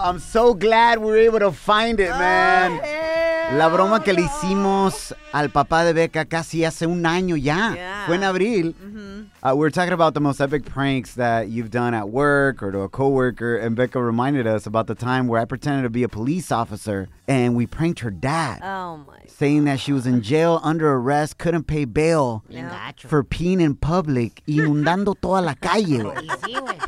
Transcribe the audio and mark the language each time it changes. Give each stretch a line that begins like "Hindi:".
English: I'm so glad we were able to find it, man.
Spanish: La broma que le hicimos al papá de Becca casi hace un año ya.
English: Yeah.
Spanish: Fue en abril. Mm-hmm.
English: We're talking about the most epic pranks that you've done at work or to a coworker. And Becca reminded us about the time where I pretended to be a police officer and we pranked her dad. Oh, my. Saying that she was in jail under arrest, couldn't pay bail for peeing in public,
Spanish: inundando toda la calle.